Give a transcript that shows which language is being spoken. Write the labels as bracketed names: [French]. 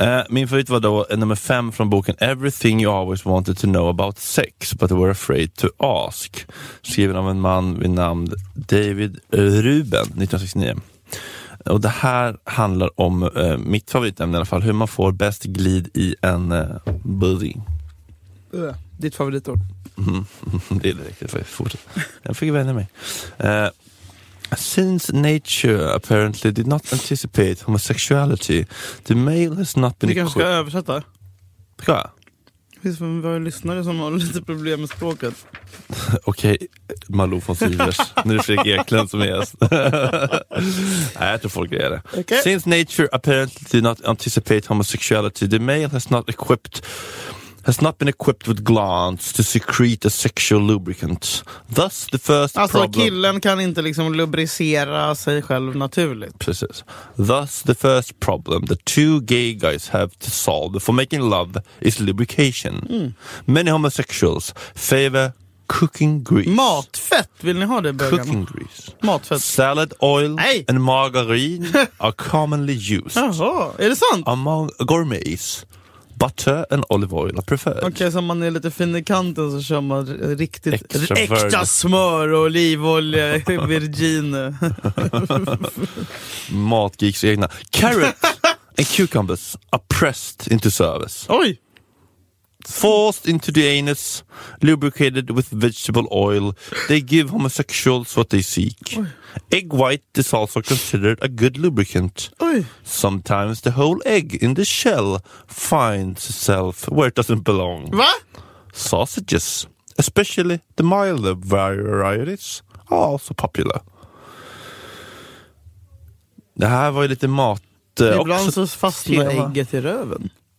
[Swedish] Min favorit var då nummer 5 från boken Everything You Always Wanted to Know About Sex But Were Afraid to Ask, skriven av en man vid namn David Ruben 1969. Och det här handlar om mitt favoritämne i alla fall, hur man får bäst glid i en booty. Ditt favoritord. Det är direkt, jag fick vänja mig. [English] Since nature apparently did not anticipate homosexuality, the male has not been... [Swedish] Du kanske ska översätta? Ska jag? Det finns för våra lyssnare som har lite problem med språket. Okej, okay. Malou von Sivers. Nu är det Fredrik Eklund som är gäst. Nej, jag tror folk är det. [English] Okay. Since nature apparently did not anticipate homosexuality, the male has not been equipped with glands to secrete a sexual lubricant. Thus the first [Swedish] alltså, [English] problem... [Swedish] killen kan inte liksom lubricera sig själv naturligt. Precis. [English] Thus the first problem the two gay guys have to solve for making love is lubrication. Mm. Many homosexuals favor cooking grease. [Swedish] Matfett, vill ni ha det, bögarna? [English] Cooking grease. [Swedish] Matfett. [English] Salad oil. [Swedish] Nej. [English] And margarine are commonly used. [Swedish] Jaha, är det sant? [English] Among gourmets, butter and olive oil are preferred. [Swedish] Okej, så man är lite fin i kanten så kör man riktigt äkta smör och olivolja virgine. Matgeeks egna. [English] Carrot and cucumbers are pressed into service. [Swedish] Oj! [English] Forced into the anus, lubricated with vegetable oil, they give homosexuals what they seek. [Swedish] Oj. [English] Egg white is also considered a good lubricant. [Swedish] Oj. [English] Sometimes the whole egg in the shell finds itself where it doesn't belong. [Swedish] Va? [English] Sausages, especially the milder varieties, are also popular. [Swedish] Det här var ju lite mat. Ibland så fastnar ägget i röven.